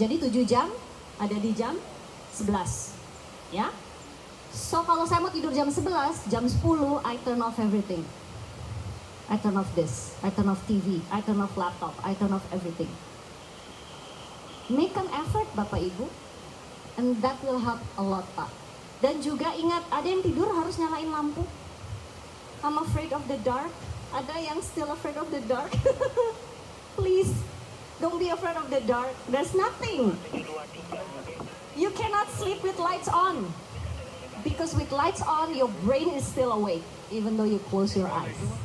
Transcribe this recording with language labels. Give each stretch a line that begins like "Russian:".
Indonesian: Jadi 7 jam ada di jam 11. Ya. So kalau saya mau tidur jam 11, jam 10
English: I turn off everything. I turn off this, I turn off TV, I turn off laptop, I turn off everything. Make an effort Bapak Ibu, and that will help a lot, Pak.
Indonesian: Dan juga ingat, ada yang tidur harus nyalain lampu.
English: I'm afraid of the dark.
Indonesian: Ada yang
English: still afraid of the dark. Please, Don't be afraid of the dark. There's nothing. You cannot sleep with lights on. Because with lights on, your brain is still awake, even though you close your eyes.